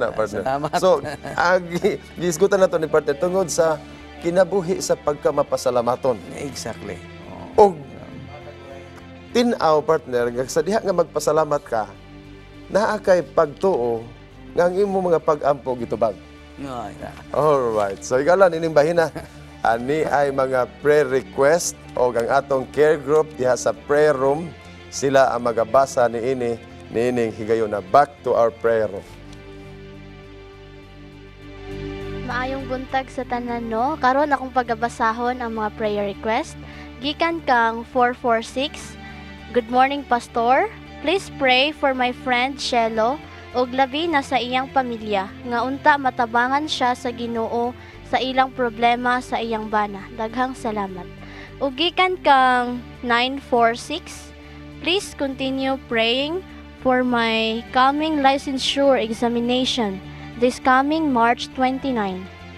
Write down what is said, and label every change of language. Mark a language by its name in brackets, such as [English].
[Cebuano] Na, partner. Salamat. So, gisgutan na to ni partner tungod sa kinabuhi sa pagkamapasalamaton. [English] Exactly. [Cebuano] Og tinaw, partner, sa diha nga magpasalamat ka, naa kay pagtuo nga ang imo mga pag-ampo gitubag. Alright. So, igalan, inimbahin na. Ani ay mga prayer request o ang atong care group diha sa prayer room. Sila ang magabasa ni ini, niining higayon na [English] back to our prayer room. [Cebuano] Maayong buntag sa tanan, no? Karon akong pagabasahon ang mga prayer request. Gikan kang 446. [English] Good morning, Pastor. Please pray for my friend, Shelo, [Cebuano] og labi na sa iyang pamilya nga unta matabangan siya sa Ginoo sa ilang problema sa iyang bana. Daghang salamat. Ugikan kang 946. [English] Please continue praying for my coming licensure examination this coming March 29.